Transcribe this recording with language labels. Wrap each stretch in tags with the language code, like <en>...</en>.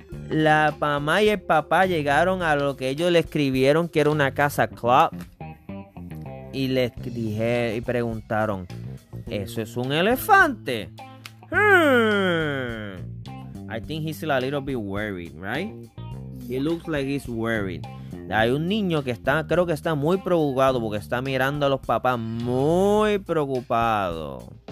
<es>La mamá y el papá llegaron a lo que ellos le escribieron que era una casa club y les dije y preguntaron, ¿eso es un elefante?</es> <en>I think he's a little bit worried, right? He looks like he's worried.</en> <es>Hay un niño que está, creo que está muy preocupado porque está mirando a los papás muy preocupado.</es>